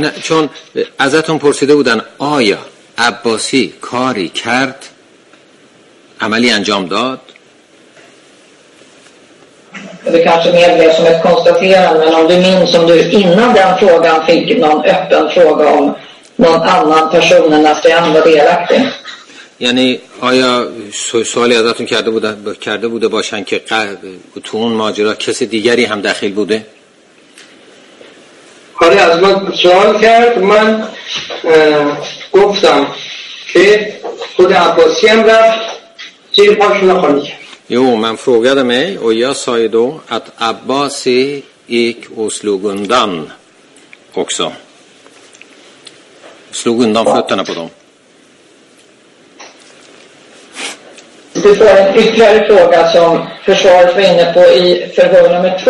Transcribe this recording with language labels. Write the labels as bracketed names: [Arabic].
[Persian] نه چون ازتون پرسیده بودن آیا عباسی کاری کرد عملی انجام داد. [Swedish] Det kanske medlev som ett konstaterande, men om du minns om du innan den frågan fick någon öppen fråga om någon annan person än Nasrian var delaktig. [Persian] یعنی آیا سوالی ازتون کرده بوده باشن که تو اون ماجرا کسی دیگری هم داخل بوده؟ آره از من سوال کرد. من گفتم که خود عباسی هم رفت زیر پاشون خالی کرد. [Swedish] Jo, man frågade mig och jag sa ju då att Abbasi gick och slog undan också. Slog undan fötterna på dem. Du får en ytterligare fråga som försvaret var inne på i förhör nummer 2.